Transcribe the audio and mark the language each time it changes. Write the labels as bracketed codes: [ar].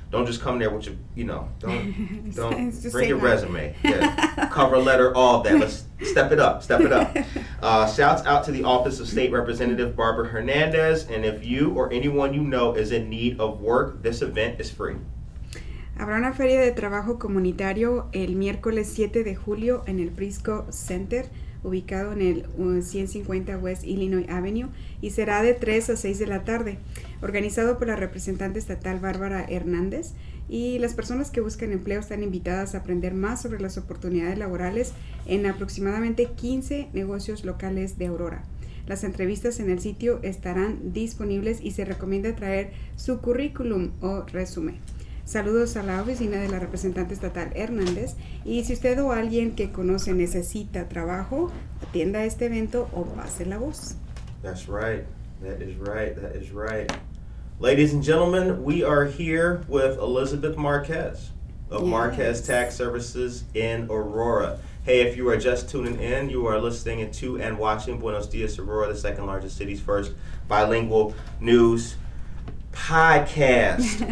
[en] Don't just come there with your, you know, don't bring your resume. Yeah. Cover letter, all that. Let's step it up, step it up. Shouts out to the Office of State Representative Barbara Hernandez. And if you or anyone you know is in need of work, this event is free. [es] Habrá una feria de trabajo comunitario el miércoles 7 de julio en el Prisco Center, ubicado en el 150 West Illinois Avenue, y será de 3 a 6 de la tarde, organizado por la representante estatal Bárbara Hernández. Y las personas que buscan empleo están invitadas a aprender más sobre las oportunidades laborales en aproximadamente 15 negocios locales de Aurora. Las entrevistas en el sitio estarán disponibles y se recomienda traer su currículum o resumen. Saludos a la oficina de la representante estatal Hernández. Y si usted o alguien que conoce necesita trabajo, atienda este evento o pase la voz. [en] That's right. That is right. That is right. Ladies and gentlemen, we are here with Elizabeth Marquez of Marquez Tax Services in Aurora. Hey, if you are just tuning in, you are listening to and watching Buenos Dias Aurora, the second largest city's first bilingual news podcast.